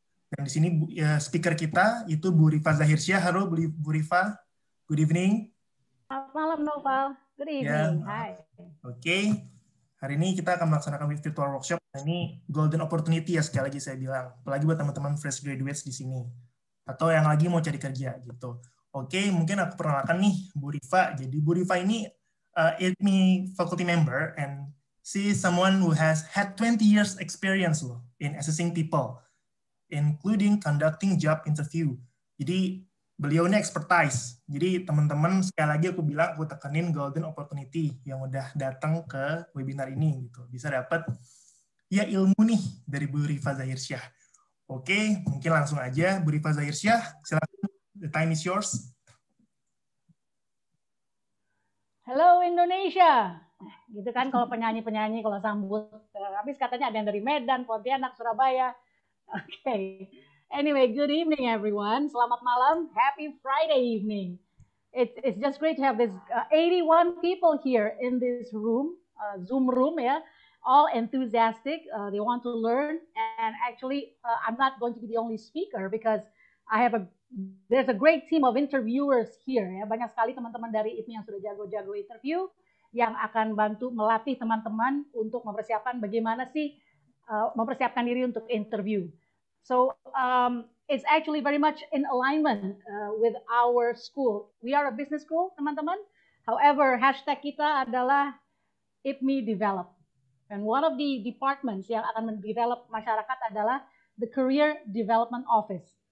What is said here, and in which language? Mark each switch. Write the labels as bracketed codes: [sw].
[id] Dan di sini speaker kita itu Bu Riva Zahirsyah. Halo Bu Riva, [en] good evening. [id] Selamat malam Noval, [en] good evening. [id] Yeah. Hi. Oke, okay. Hari ini kita akan melaksanakan virtual workshop. Ini [en] golden opportunity [id] ya sekali lagi saya bilang. Apalagi buat teman-teman fresh graduates di sini. Atau yang lagi mau cari kerja gitu. Oke, okay, mungkin aku perkenalkan nih Bu Riva. Jadi Bu Riva ini [en] IPMI faculty member and she is someone who has had 20 years experience loh in assessing people. Including conducting job interview. [id] Jadi beliau ini [en] expertise. [id] Jadi teman-teman sekali lagi aku bilang, aku tekenin [en] golden opportunity [id] yang udah datang ke webinar ini gitu. Bisa dapat ya ilmu nih dari Bu Riva Zahirsyah. Oke, mungkin langsung aja Bu Riva Zahirsyah, silakan. [en] The time is yours. Oke, Hello Indonesia. [id] Gitu kan kalau penyanyi-penyanyi kalau sambut. Habis katanya ada yang dari Medan, Pontianak, Surabaya. [en] Oke. Okay. Anyway, good evening everyone. [id] Selamat malam. [en] Happy Friday evening. It's just great to have this 81 people here in this room, Zoom room, yeah. All enthusiastic. They want to learn. And actually, I'm not going to be the only speaker because I have a there's a great team of interviewers here. Ya. [id] Banyak sekali teman-teman dari IPMI yang sudah jago-jago interview yang akan bantu melatih teman-teman untuk mempersiapkan bagaimana sih mempersiapkan diri untuk interview. [en] So it's actually very much in alignment with our school. We are a business school, [id] teman-teman. [en] However, [id] hashtag kita adalah [en] IPMI Develop. And one of the departments [id] yang akan mendevelop masyarakat adalah [en] the Career Development Office.